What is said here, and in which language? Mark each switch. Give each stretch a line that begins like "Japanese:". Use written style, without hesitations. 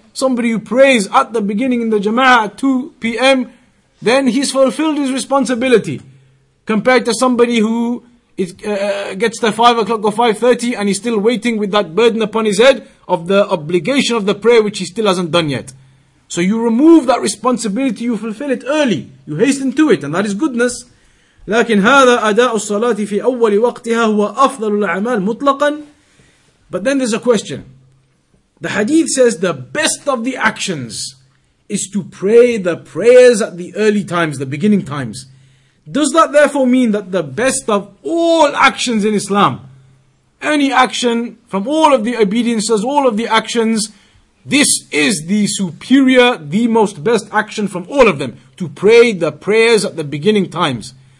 English: Somebody who prays at the beginning in the Jama'ah at 2 p.m, then he's fulfilled his responsibility. Compared to somebody who gets to 5 o'clock or 5:30 and he's still waiting with that burden upon his head of the obligation of the prayer which he still hasn't done yet. So you remove that responsibility, you fulfill it early. You hasten to it, and that is goodness.
Arabic: لكن هذا أداء الصلاة في أول وقتها هو أفضل الأعمال مطلقاً.
English: But then there's a question. The hadith says the best of the actions is to pray the prayers at the early times, the beginning times. Does that therefore mean that the best of all actions in Islam, any action from all of the obediences, all of the actions, this is the superior, the most best action from all of them, to pray the prayers at the beginning times?